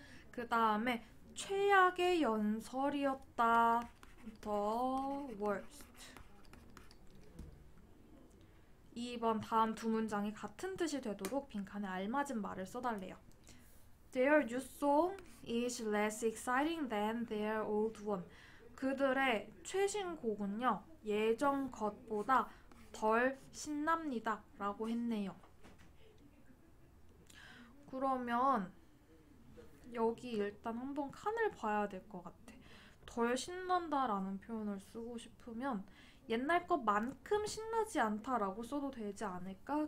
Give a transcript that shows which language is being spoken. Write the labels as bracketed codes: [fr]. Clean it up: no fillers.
[ko] 그 다음에 최악의 연설이었다. [en] The worst. [ko] 2번 다음 두 문장이 같은 뜻이 되도록 빈칸에 알맞은 말을 써달래요. [en] Their new song is less exciting than their old one. [ko] 그들의 최신 곡은요, 예전 것보다 덜 신납니다. 라고 했네요. 그러면, 여기 일단 한번 칸을 봐야 될것 같아. 덜 신난다라는 표현을 쓰고 싶으면, 옛날 것만큼 신나지 않다라고 써도 되지 않을까?